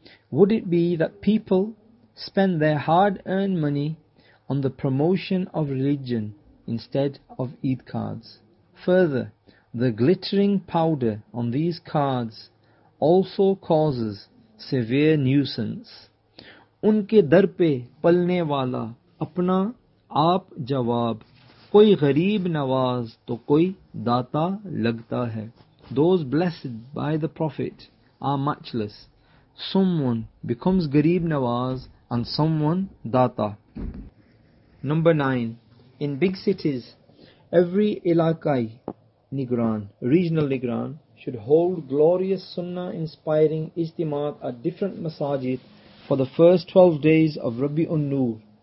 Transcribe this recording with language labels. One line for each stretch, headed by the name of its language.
English: Would it be that people spend their hard-earned money on the promotion of religion instead of Eid cards? Further, the glittering powder on these cards also causes severe nuisance.
Urdu: Unke dar pe palne wala اپنا آپ جواب، کوئی غریب نواز تو کوئی داتا لگتا ہے.
English: Those blessed by the Prophet are matchless. Someone becomes Gharib Nawaz and someone Data. Number 9. In big cities, every علاقائی نگران, regional نگران, should hold glorious sunnah inspiring ijtimaat at different masajid for the first 12 days of Rabi un-Nur.